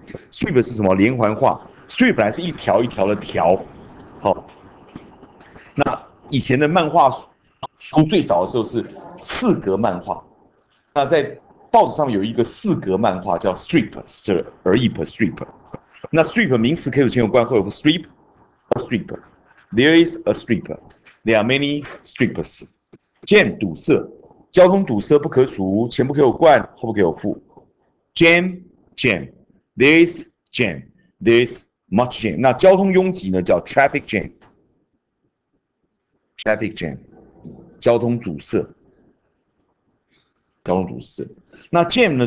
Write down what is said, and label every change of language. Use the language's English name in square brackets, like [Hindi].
[Chinese] Strip 是什么？连环画。 Strip 本来是一条一条的条，好。那以前的漫画书最早的时候是四格漫画，那在报纸上有一个四格漫画叫 Strip，Strip。那 Strip 名词可以有前有冠，后有 Strip，A Strip。 [English] There is a Strip，There are many strips。 [Chinese] Jam 堵塞，交通堵塞不可数，前不可有冠，后不可有副。 [English] Jam。 There is jam. There is much jam. [Chinese] 那交通拥挤呢？叫 traffic jam. Traffic jam. 交通堵塞。交通堵塞。那 jam 呢？